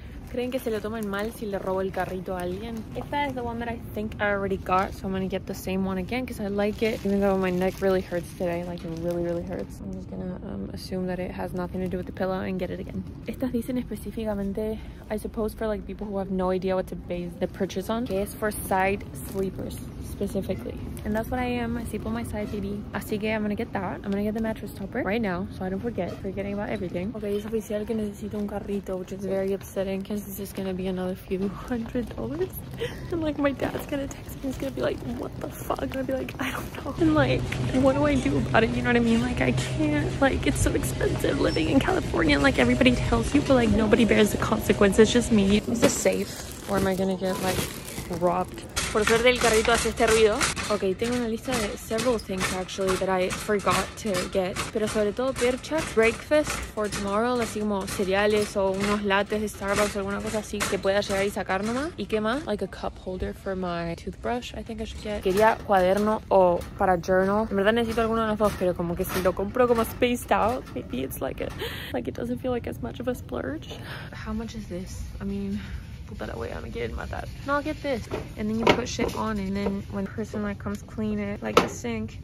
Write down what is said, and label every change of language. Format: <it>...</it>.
<es>¿Creen que se lo tomen mal si le robo el carrito a alguien? Esta es</es> <en>the one that I think I already got, so I'm gonna get the same one again because I like it. Even though my neck really hurts today, like it really, really hurts. I'm just gonna assume that it has nothing to do with the pillow and get it again.</en> <es>Estas dicen específicamente,</es> <en>I suppose for like people who have no idea what to base the purchase on. Que es for side sleepers, specifically. And that's what I am, I sleep on my side, baby.</en> <es>Así que</es> <en>I'm gonna get that. I'm gonna get the mattress topper right now, so I don't forget, forgetting about everything. Okay,</en> <es>es oficial que necesito un carrito,</es> <en>which is very upsetting. Because this is gonna be another few $100. And like my dad's gonna text me, he's gonna be like, what the fuck? And I'll be like, I don't know. And like, what do I do about it? You know what I mean? Like, I can't, like, it's so expensive living in California. And like, everybody tells you, but like, nobody bears the consequences. It's just me. Is this safe? Or am I gonna get like robbed?</en> <es>Por suerte el carrito hace este ruido.</es> <en>Okay,</en> <es>tengo una lista de</es> <en>several things actually that I forgot to get.</en> <es>Pero sobre todo perchas,</es> <en>breakfast for tomorrow,</en> <es>así como cereales o unos lattes de Starbucks o alguna cosa así que pueda llegar y sacar nomás. ¿Y qué más?</es> <en>Like a cup holder for my toothbrush, I think I should get.</en> <es>Quería cuaderno o para journal. En verdad necesito alguno de los dos, pero como que si lo compro como</es> <en>spaced out, maybe it's like a, like it doesn't feel like as much of a splurge. How much is this? I mean, put that away, I'm getting my dad. No, I'll get this. And then you put shit on and then when the person like comes clean it, like the sink.</en>